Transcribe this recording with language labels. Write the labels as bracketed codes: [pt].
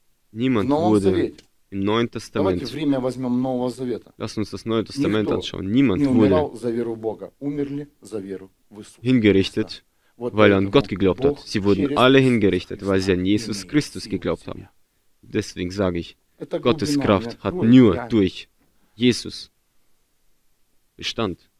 [de] Niemand wurde im Neuen Testament. [ru] Давайте время возьмем Нового Завета. [de] Lass uns das Neue Testament anschauen. Niemand wurde [ru] за веру Бога, умерли за веру в Иисуса. [de] Hingerichtet, weil er an Gott geglaubt hat. Sie wurden alle hingerichtet, weil sie an Jesus Christus geglaubt haben. Deswegen sage ich, Gottes Kraft hat nur durch Jesus Bestand.